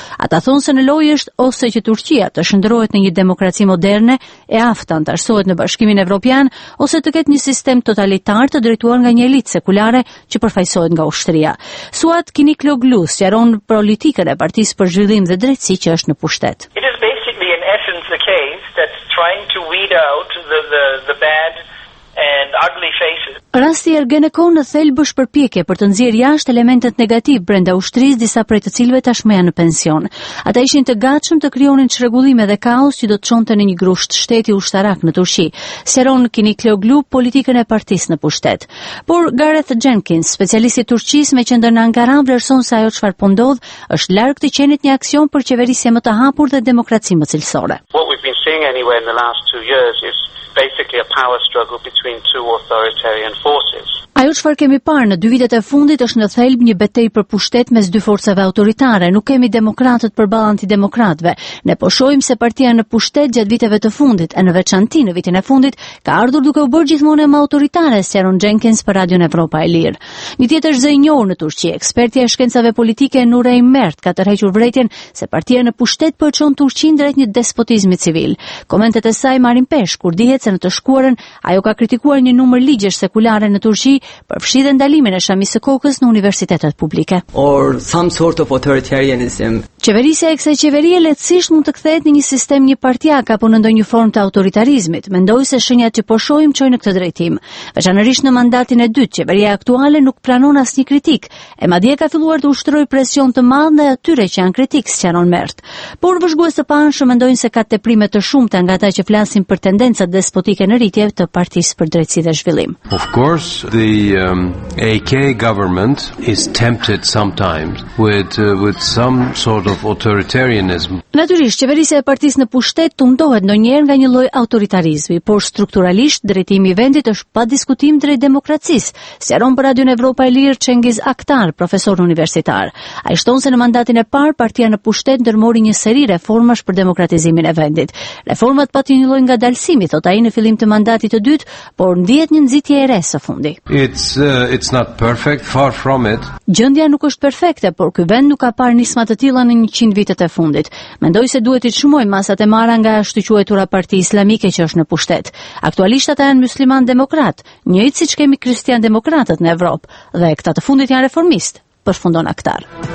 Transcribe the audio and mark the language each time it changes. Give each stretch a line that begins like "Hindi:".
Albanian: Ata thonë se në lojë është ose që Turqia të shndërrohet në një demokraci moderne e aftë antarësohet në Bashkimin Evropian ose të ketë një sistem totalitar të drejtuar nga një elitë sekulare që përfaqësohet nga ushtria. Suat Kiniqloglu sqaron politikën e Partisë për Zhvillim dhe Drejtësi. Si që është në pushtet.
English: It is basically in essence the case that's trying to weed out the bad and ugly faces.
Albanian: Rasti Ergenekon në thelbësh përpjekje për të nxjerrë jashtë elementet negativ brenda ushtrisë, disa prej të cilëve tashmë janë në pension. Ata ishin të gatshëm të krijonin çrregullime dhe kaos që do të çonte në një grusht shteti ushtarak në Turqi. Sqaron Kiniqloglu politikën e partisë në pushtet. Por Gareth Jenkins, specialist i Turqisë me qendër në Ankara, vlerëson se ajo çfarë po ndodh është larg të qenit një aksion për qeverisje më të hapur dhe demokraci më cilësore.
English: What we've been seeing anyway in the last 2 years is basically a power struggle between two authoritarian forces.
Albanian: Ajo çfarë kemi parë në dy vitet e fundit është në thelb një betejë për pushtet mes dy forcave autoritare. Nuk kemi demokratët përballë antidemokratëve. Ne po shohim se partia në pushtet gjatë viteve të fundit e në veçantë në vitin e fundit ka ardhur duke u bërë gjithmonë më autoritare, sqaron Jenkins për Radio Evropa e Lirë. Një tjetër zë i njohur në Turqi, ekspertja e shkencave politike Nurey Mert, ka tërhequr vërtetën se partia në pushtet po çon Turqinë drejt një despotizmi civil. Komentet e saj marrin peshë kur dihet se në të shkuarën ajo ka kritikuar një numër ligjesh sekulare në Turqi. Përfshihet ndalimin e shamisë së kokës në universitetet publike.
English: Or some sort of authoritarianism.
Albanian: Qeverisja e kësaj qeverie lehtësisht mund të kthehet në një sistem një partiak apo në ndonjë formë të autoritarizmit. Mendoj se shenjat që po shohim çojnë në këtë drejtim. Veçanërisht në mandatin e dytë, qeveria aktuale nuk pranon asnjë kritik, e madje ka filluar të ushtrojë presion të madh ndaj atyre që janë kritik, sqaron Mert. Por vëzhguesi panshëm mendojnë se ka teprime të shumta nga ata që flasin për tendencat despotike në rritje të Partisë për Drejtësi dhe Zhvillim.
English: Of course, the AK government is tempted sometimes with some sort of authoritarianism.
Albanian: Natyrisht, qeverisja e partisë në pushtet tundohet ndonjëherë nga një lloj autoritarizmi, por strukturalisht drejtimi i vendit është pa diskutim drejt demokracisë, sqaron për Radio Evropa e Lirë Çengiz Aktar, profesor universitar. Ai shton se në mandatin e parë partia në pushtet ndërmori një seri reformash për demokratizimin e vendit. Reformat pati një lloj ngadalësimi, thot ai në fillim të mandatit të dytë, por ndihet një nxitje e re së fundi.
English: It's not perfect, far from it.
Albanian: Gjendja nuk është perfekte, por ky vend nuk ka parë nisma të tilla në 100 vitet e fundit. Mendoj se duhet i çmojmë masat e marra nga ashtu quajtura Partia Islamike që është në pushtet. Aktualisht ata janë musliman demokrat, njëjt siç kemi kristian demokratët në Evropë, dhe këta të fundit janë reformist, përfundon Aktar.